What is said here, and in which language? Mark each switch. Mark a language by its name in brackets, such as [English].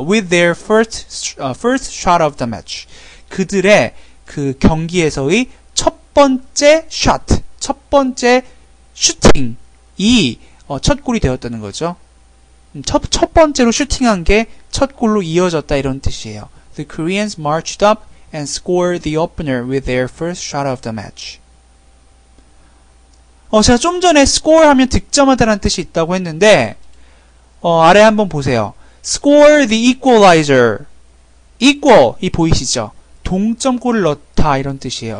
[English] With their first shot of the match. [Korean] 그들의 그 경기에서의 첫 번째 [English] shot. [Korean] 첫 번째 슈팅이 첫 골이 되었다는 거죠. 첫 번째로 슈팅한 게첫 골로 이어졌다 이런 뜻이에요. [English] The Koreans marched up and scored the opener with their first shot of the match. [Korean] 제가 좀 전에 score 하면 득점하다는 뜻이 있다고 했는데 아래 한번 보세요. [English] Score the equalizer. equal 이 보이시죠? [Korean] 동점골을 넣다 이런 뜻이에요.